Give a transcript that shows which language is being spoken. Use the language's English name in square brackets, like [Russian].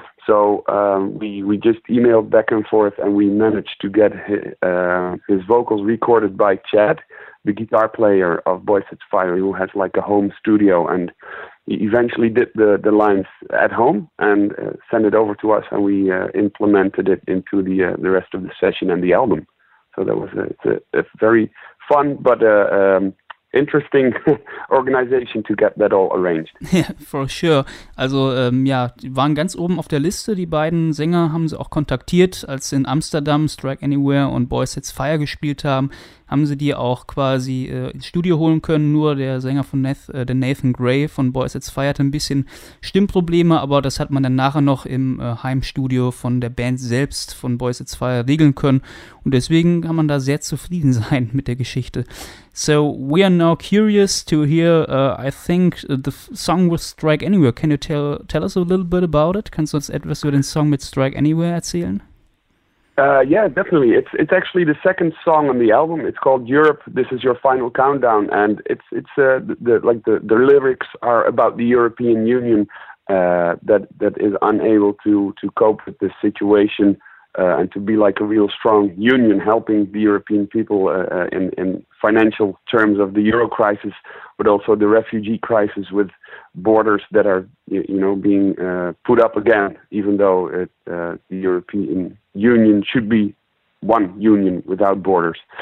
[English] So we just emailed back and forth and we managed to get his vocals recorded by Chad, the guitar player of Boy Sets Fire, who has like a home studio, and he eventually did the lines at home and sent it over to us, and we implemented it into the rest of the session and the album. So that was a very fun but interesting organization to get that all arranged. Yeah, for sure. [German] Also die waren ganz oben auf der Liste. Die beiden Sänger haben sie auch kontaktiert, als sie in Amsterdam Strike Anywhere und Boy Sets Fire gespielt haben. haben sie die auch quasi ins Studio holen können. Nur der Sänger von der Nathan Gray von Boys That's Fire hatte ein bisschen Stimmprobleme, aber das hat man dann nachher noch im Heimstudio von der Band selbst von Boys That's Fire regeln können. Und deswegen kann man da sehr zufrieden sein mit der Geschichte. [English] So, we are now curious to hear, I think the song with Strike Anywhere. Can you tell us a little bit about it? [German] Kannst du uns etwas über den Song mit Strike Anywhere erzählen? [English] Yeah, definitely. It's actually the second song on the album. It's called Europe, This Is Your Final Countdown. And the lyrics are about the European Union that is unable to cope with this situation and to be like a real strong union, helping the European people in financial terms of the euro crisis, but also the refugee crisis with borders that are, you know, being put up again, even though the European Union should be one union without borders.